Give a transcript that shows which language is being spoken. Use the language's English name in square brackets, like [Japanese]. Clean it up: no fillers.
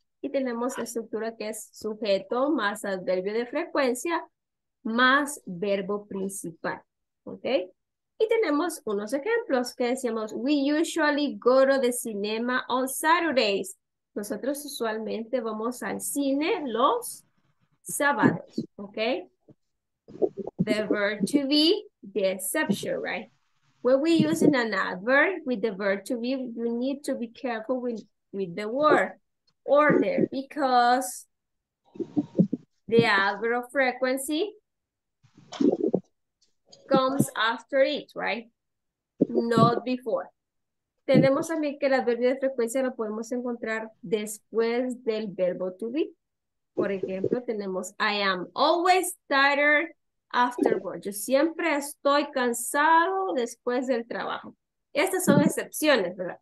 [Spanish] y tenemos la estructura que es sujeto más adverbio de frecuencia más verbo principal, ¿ok? Y tenemos unos ejemplos que decíamos, [English] we usually go to the cinema on Saturdays. [Spanish] Nosotros usualmente vamos al cine los sábados, ¿ok? [English] The verb to be, the exception, right? When we use an adverb with the verb to be, you need to be careful with the word order because the adverb of frequency comes after it, right? Not before. [Spanish] Tenemos también que el adverbio de frecuencia lo podemos encontrar después del verbo to be. Por ejemplo, tenemos [English] I am always tired after work. [Spanish] Yo siempre estoy cansado después del trabajo. Estas son excepciones, ¿verdad?